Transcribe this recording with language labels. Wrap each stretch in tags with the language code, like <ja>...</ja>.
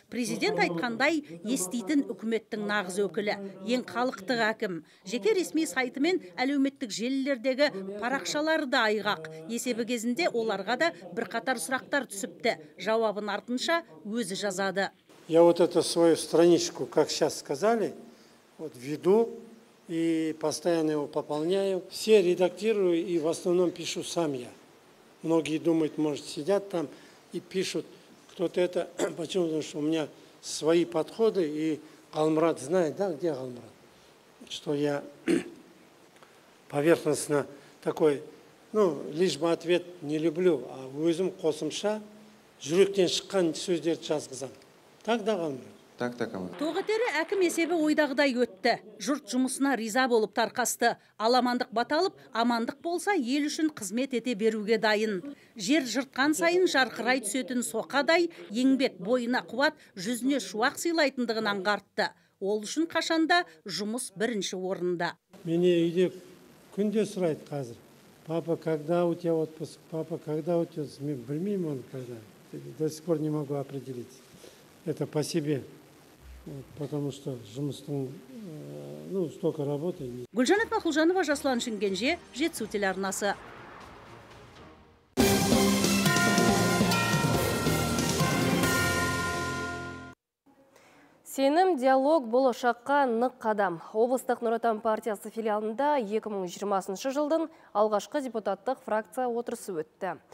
<kk>Президент айтқандай, естейтін үкіметтің нағыз өкілі, ең халықтық әкім. Жеке ресми сайты мен әлеуметтік желілердегі парақшалары да айғақ. Есебі кезінде оларға да бірқатар сұрақтар түсіпті. Жауабын артынша өзі жазады.</kk> <ru>Я вот эту свою страничку, как сейчас сказали, вот веду и постоянно его пополняю. Все редактирую и в основном пишу сам я. Многие думают, может, сидят там и пишут кто-то это. Почему? Потому что у меня свои подходы, и Галмурат знает, да, где Галмурат? Что я поверхностно такой, ну, лишь бы ответ не люблю,</ru> <kk>а уйзым, косымша, жүректен шыққан сөздерді жазғызам. Тоғатері әкім есебі ойдағыдай өтті. Жұрт жұмысына риза болып тарқасты. Ал Амандық Баталып, амандық болса ел үшін қызмет ете беруге дайын. Жер жұртқан сайын жарқырай түсетін соқадай, еңбек бойына қуат, жүзіне шуақ сыйлайтындығын аңғартты. Ол үшін қашанда жұмыс бірінші орында. Мені үйде күнде сұрайды қазір.</kk> <ru>Папа, когда у тебя отпуск? Папа, когда у тебя отпуск?</ru> <kk>Мен білмеймін оны қайда.</kk> <ru>До сих пор не могу определить. Это по себе, потому что</ru> <kk>жұмыстың,</kk> <ru>ну, столько работы.</ru> <kk>Гүлжанат Мақұлжанова, Жасұлан Шынгенже, Жетісу телеарнасы. Сенім диалог болашаққа нық қадам. Облыстық Нұр Отан партиясы филиалында 2020 жылдың алғашқы депутаттық фракция отырысы өтті.</kk>